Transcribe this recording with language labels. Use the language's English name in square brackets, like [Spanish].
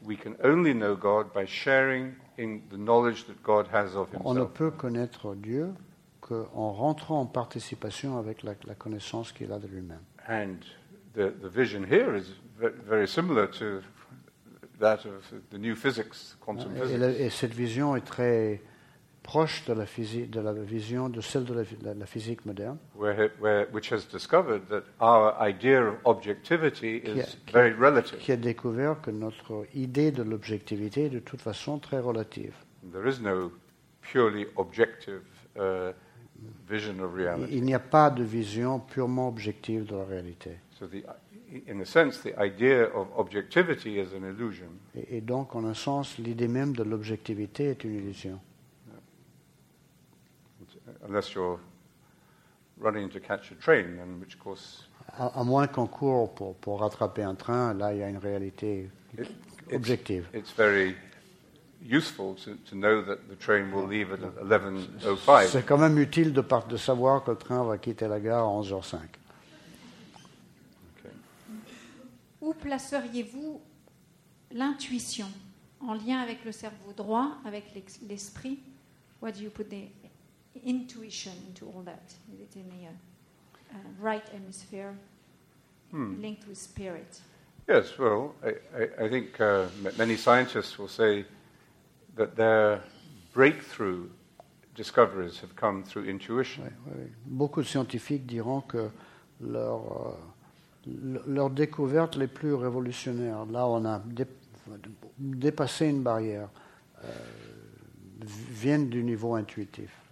[English] We can only know God by sharing in the knowledge that God has of himself. [French] On ne peut connaître Dieu qu'en rentrant en participation avec la connaissance qu'il a de lui-même. [English] And the vision here is very similar to that of the new physics, quantum physics. [French] Et cette vision est très proche de la physique, de la vision de celle de la physique moderne, [English] which has discovered that our idea of objectivity is very relative. [French] Qui a découvert que notre idée de l'objectivité est de toute façon très relative. [English] There is no purely objective vision of reality. [French] Il n'y a pas de vision purement objective de la réalité. [English] So in a sense, the idea of objectivity is an illusion. [French] Et donc, en un sens, l'idée même de l'objectivité est une illusion. [English] Unless you're running to catch a train, in which course. [French] À moins qu'on court pour rattraper un train, là il y a une réalité objective. [English] It's very useful to know that the train will leave at 11:05. [French] C'est quand même utile de savoir que le train va quitter la gare à 11:05. [English] Okay. [French] Où placeriez-vous l'intuition en lien avec le cerveau droit, avec l'esprit? [English] What do you put there? Intuition into all that. Is it in the right hemisphere linked with spirit? Yes, well, I think many scientists will say that their breakthrough discoveries have come through intuition. [French] Beaucoup de scientifiques diront que leurs découvertes les plus révolutionnaires, là on a dépassé une barrière, viennent du niveau intuitif.